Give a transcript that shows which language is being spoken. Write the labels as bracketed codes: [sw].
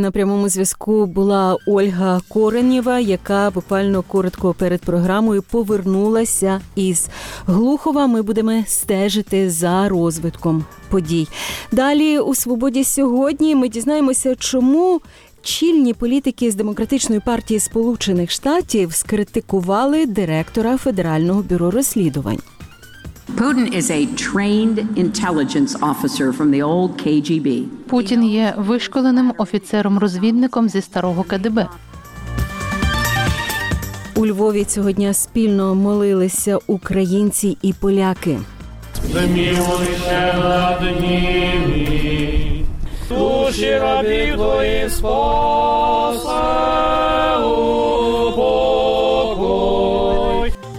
[uk] На прямому зв'язку була Ольга Коренєва, яка буквально коротко перед програмою повернулася із Глухова. Ми будемо стежити за розвитком подій. Далі у «Свободі сьогодні» ми дізнаємося, чому чільні політики з Демократичної партії Сполучених Штатів скритикували директора Федерального бюро розслідувань. [en] Putin is a trained intelligence officer from the old KGB. [uk] Путін є вишколеним офіцером-розвідником зі старого КДБ. У Львові цього дня спільно молилися українці і поляки. Змінилися над ними душі рабів твої спаси, упокой.